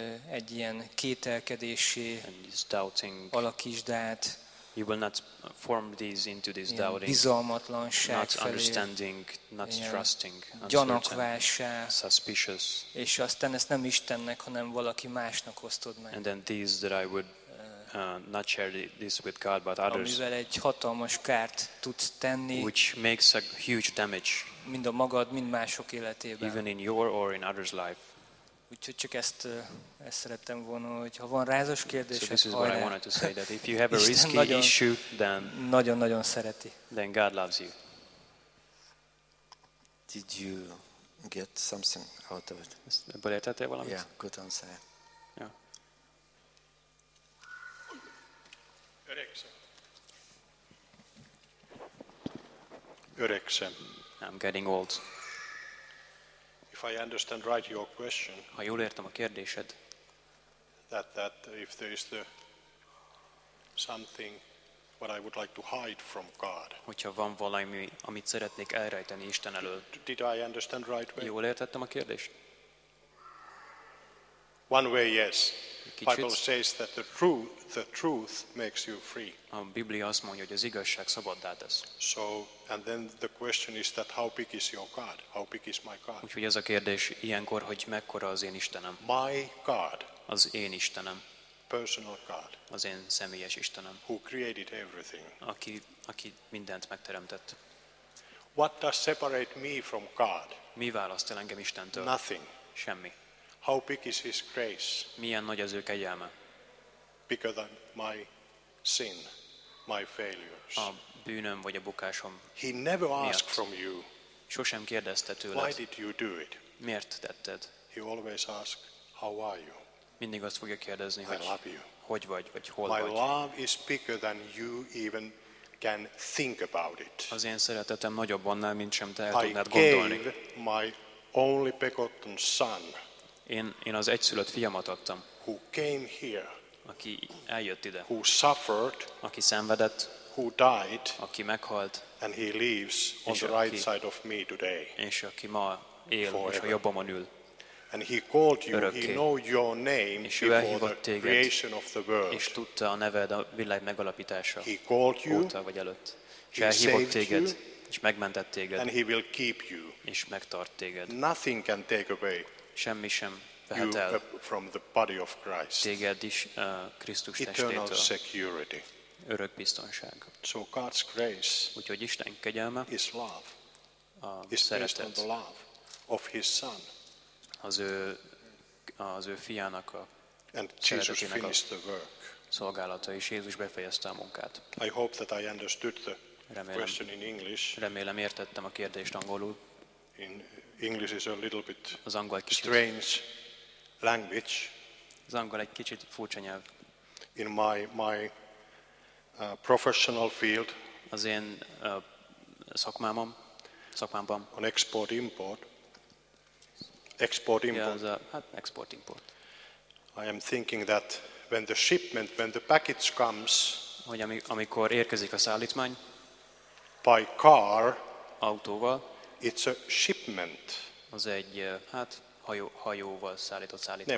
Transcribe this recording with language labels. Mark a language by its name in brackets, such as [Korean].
[Hungarian] egy ilyen kételkedési alakítsd át. [English] You will not form these into this doubting, [Hungarian] bizalmatlanság [English] not understanding, not trusting, [Hungarian] gyanakvássá, [English] suspicious. [Hungarian] És aztán ezt nem Istennek, hanem valaki másnak osztod meg. [English] And then these that I would not share this with God, but others. [Hungarian] Amivel egy hatalmas kárt tudsz tenni. [English] Which makes a huge damage. [Hungarian] Mind a magad, mind mások életében. [English] Even in your or in others' life. [Hungarian] Úgyhogy csak ezt szerettem volna, hogy ha van rázos kérdés, akkor. [English] So this is what I wanted to say, that if you have a risky issue, then [Hungarian] nagyon-nagyon szereti. [English] Then God loves you. Did you get something out of it? [Hungarian] Beletette valamit? [English] Yeah, good answer. [Hungarian] Öregszem. [English] I'm getting old. If I understand right your question, [Hungarian] ha jól értem a kérdésed, [English] that if there is the something what I would like to hide from God, [Hungarian] hogyha van valami, amit szeretnék elrejteni Isten elől, [English] did I understand right? [Hungarian] Jól értettem a kérdést? [English] One way, yes. Bible says that the truth makes you free. [Hungarian] A Biblia azt mondja, hogy az igazság szabaddá tesz. [English] So, and then the question is that how big is your God? How big is my God? [Hungarian] Úgyhogy ez a kérdés ilyenkor, hogy mekkora az én Istenem? [English] My God. [Hungarian] Az én Istenem. [English] Personal God. [Hungarian] Az én személyes Istenem. [English] Who created everything? [Hungarian] Aki mindent megteremtett. [English] What does separate me from God? [Hungarian] Mi választ el engem Istentől? [English] Nothing. [Hungarian] Semmi. [English] How big is His grace? [Hungarian] Milyen nagy az ő kegyelme? [English] Bigger than my sin, my failures. [Hungarian] A bűnöm vagy a bukásom. [English] He never asked from you. [Hungarian] Sosem kérdezte tőled. [English] Why did you do it? [Hungarian] Miért tetted? [English] He always asks, how are you? [Hungarian] Mindig azt fogja kérdezni, [English] I [Hungarian] hogy [English] love you. [Hungarian] Hogy vagy, vagy hol [English] my [Hungarian] vagy. [English] My love is bigger than you even can think about it. [Hungarian] Az én szeretetem nagyobb annál, mint sem te el tudnád gondolni. [English] I gave my only begotten son. [Hungarian] Én az egyszülött fiamat adtam. [English] Who came here? [Hungarian] Aki eljött ide. [English] Who suffered? [Hungarian] Aki szenvedett. [English] Who died? [Hungarian] Aki meghalt. [English] And he lives on the right side of me today. [Hungarian] És aki ma él, és a jobbamon ül. [English] And he called you. He know your name before the creation of the world. [Hungarian] És tudta a neved a világ megalapítása. [English] He called you. [Hungarian] Óta vagy előtt. És elhívott téged. És megmentett téged. [English] And he will keep you. [Hungarian] És megtart téged. [English] Nothing can take away. [Hungarian] Semmi sem vehet el [English] from the body of Christ. [Hungarian] Téged is Krisztus testétől. [English] Eternal security. [Hungarian] Örök biztonság. [English] So God's grace. [Hungarian] Úgyhogy Isten kegyelme. [English] His love. [Hungarian] A szeretet. [English] Is based on the love of His Son. [Hungarian] Az ő fiának a szeretetének a szolgálata, és Jézus befejezte a munkát. [English] I hope that I understood the question in English. [Hungarian] Remélem értettem a kérdést angolul. [English] In English is a little bit [Hungarian] az angol kicsit [English] strange language. [Hungarian] Az angol egy kicsit furcsa nyelv. [English] In my professional field. [Hungarian] Az én szakmámban. [English] On export-import. Export-import. Yeah, export-import. I am thinking that when the shipment, when the package comes, [Hungarian] hogy amikor érkezik a szállítmány, [English] by car, [Hungarian] autóval, [English] it's a shipment. [Hungarian] Az egy hajóval szállított szállítmány.